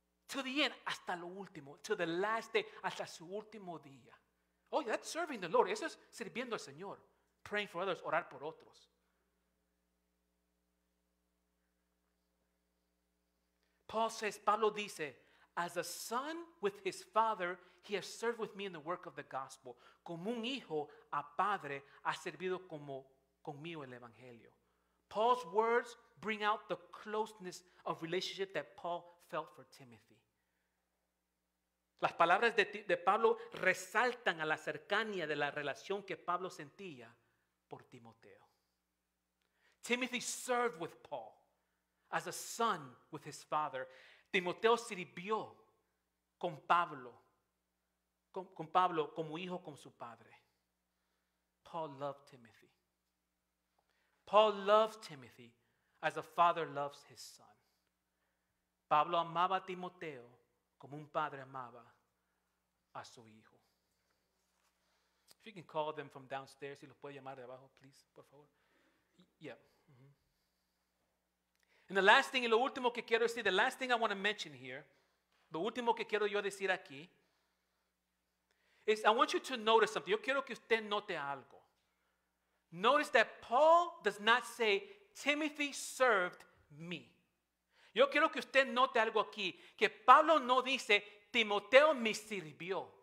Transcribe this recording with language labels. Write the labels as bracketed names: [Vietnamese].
[English] To the end, [Spanish] hasta lo último. [English] To the last day, [Spanish] hasta su último día. [English] Oh, yeah, that's serving the Lord. [Spanish] Eso es sirviendo al Señor. [English] Praying for others, [Spanish] orar por otros. Pablo dice, [English] as a son with his father, he has served with me in the work of the gospel. [Spanish] Como un hijo a padre ha servido conmigo el evangelio. [English] Paul's words bring out the closeness of relationship that Paul felt for Timothy. [Spanish] Las palabras de Pablo resaltan a la cercanía de la relación que Pablo sentía por Timoteo. [English] Timothy served with Paul as a son with his father. [Spanish] Timoteo sirvió con Pablo como hijo con su padre. [English] Paul loved Timothy. Paul loved Timothy as a father loves his son. [Spanish] Pablo amaba a Timoteo como un padre amaba a su hijo. [English] If you can call them from downstairs, [Spanish] si los puede llamar de abajo, [English] please, [Spanish] por favor. [English] Yeah. Mm-hmm. And the last thing, [Spanish] y lo último que quiero decir, [English] the last thing I want to mention here, [Spanish] lo último que quiero yo decir aquí, [English] is I want you to notice something. [Spanish] Yo quiero que usted note algo. [English] Notice that Paul does not say, Timothy served me. [Spanish] Yo quiero que usted note algo aquí, que Pablo no dice, Timoteo me sirvió.